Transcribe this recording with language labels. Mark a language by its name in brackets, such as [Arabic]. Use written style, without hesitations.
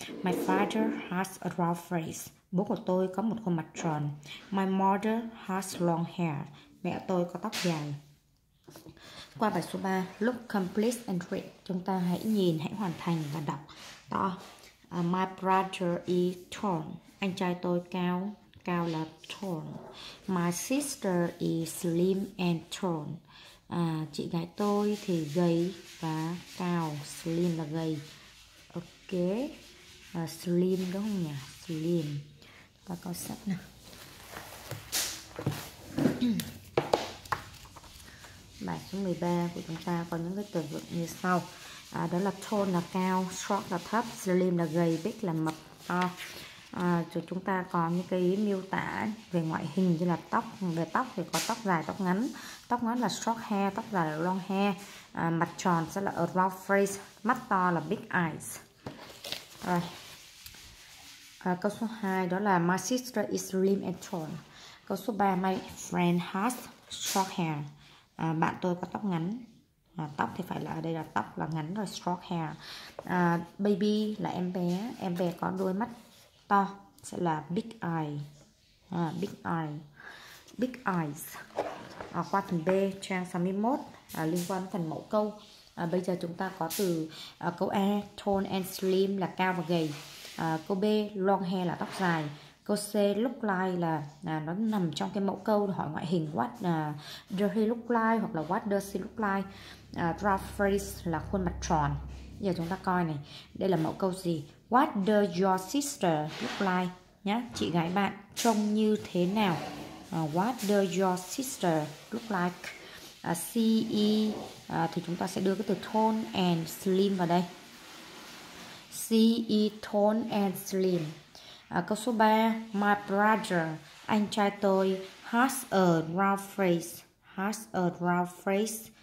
[English] My father has a round face. [Vietnamese] Bố của tôi có một khuôn mặt tròn. [English] My mother has long hair. [Vietnamese] Mẹ tôi có tóc dài. Qua bài số 3, [English] look, complete and read. [Vietnamese] Chúng ta hãy nhìn, hãy hoàn thành và đọc to. [English] My brother is tall. [Vietnamese] Anh trai tôi cao, cao là tall. [English] My sister is slim and tall. [Vietnamese] Chị gái tôi thì gầy và cao. Slim là gầy. Ok. Slim đúng không nhỉ? Slim. Và có sách nè. Bài số 13 của chúng ta có những cái từ vựng như sau. Đó là tall là cao, short là thấp, slim là gầy, big là mập, to. Rồi chúng ta có những cái miêu tả về ngoại hình như là tóc. Về tóc thì có tóc dài, tóc ngắn. Tóc ngắn là short hair, tóc dài là long hair. Mặt tròn sẽ là a round face, mắt to là big eyes. Rồi. Câu số 2 đó là [English] my sister is slim and tall. [Vietnamese] Câu số 3, [English] my friend has short hair. [Vietnamese] Bạn tôi có tóc ngắn. Tóc thì phải là ở đây là tóc là ngắn rồi, short hair. Baby là em bé. Em bé có đôi mắt to sẽ là big eye. Big eyes. Qua phần B trang 61 liên quan phần mẫu câu. Bây giờ chúng ta có từ câu A, tall and slim là cao và gầy. Câu B, long hair là tóc dài. Câu C, look like là nó nằm trong cái mẫu câu hỏi ngoại hình. [English] What does he look like? [Vietnamese] Hoặc là [English] what does he look like? [Vietnamese] Draw face là khuôn mặt tròn. Giờ chúng ta coi này, đây là mẫu câu gì? [English] What does your sister look like? [Vietnamese] Nhá, chị gái bạn trông như thế nào? [English] What does your sister look like? [Vietnamese] CE thì chúng ta sẽ đưa cái từ tall and slim vào đây. CE tall and slim. Câu số 3, my brother, anh trai tôi [English] has a round face.